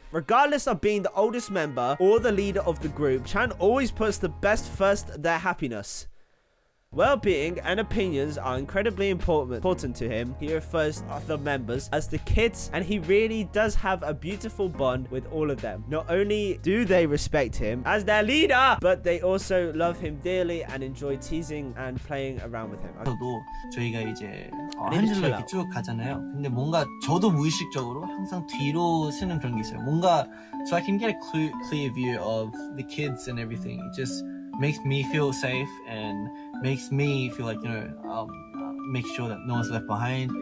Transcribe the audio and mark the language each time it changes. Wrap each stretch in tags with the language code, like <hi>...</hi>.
<en>Regardless of being the oldest member or the leader of the group, Chan always puts the best first, their happiness, well-being and opinions are incredibly important to him. He refers to the members as the kids, and he really does have a beautiful bond with all of them. Not only do they respect him as their leader, but they also love him dearly and enjoy teasing and playing around with him.</en> <ko>저도 저희가 이제 한 줄로 쭉 가잖아요. 근데 뭔가 저도 무의식적으로 항상 뒤로 쓰는 그런 게 있어요. 뭔가</ko> <en>so I can get a clear view of the kids and everything. It just makes me feel safe and makes me feel like, you know, make sure that no one's left behind.</en>